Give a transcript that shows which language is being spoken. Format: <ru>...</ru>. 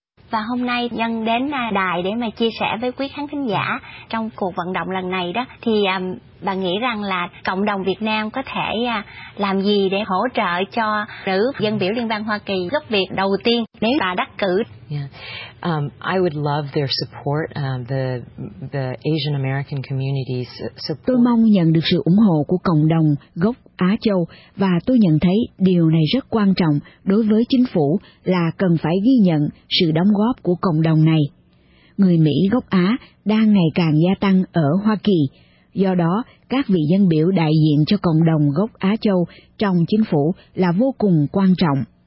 <vi>Và hôm nay Nhân đến đài để mà chia sẻ với quý khán thính giả trong cuộc vận động lần này đó, thì bà nghĩ rằng là cộng đồng Việt Nam có thể làm gì để hỗ trợ cho nữ dân biểu Liên bang Hoa Kỳ gốc Việt đầu tiên nếu bà đắc cử?</vi> <en>I would love their support, the Asian American community's support.</en> <vi>Tôi mong nhận được sự ủng hộ của cộng đồng gốc Á Châu, và tôi nhận thấy điều này rất quan trọng đối với chính phủ là cần phải ghi nhận sự đóng góp của cộng đồng này. Người Mỹ gốc Á đang ngày càng gia tăng ở Hoa Kỳ, do đó các vị dân biểu đại diện cho cộng đồng gốc Á Châu trong chính phủ là vô cùng quan trọng.</vi>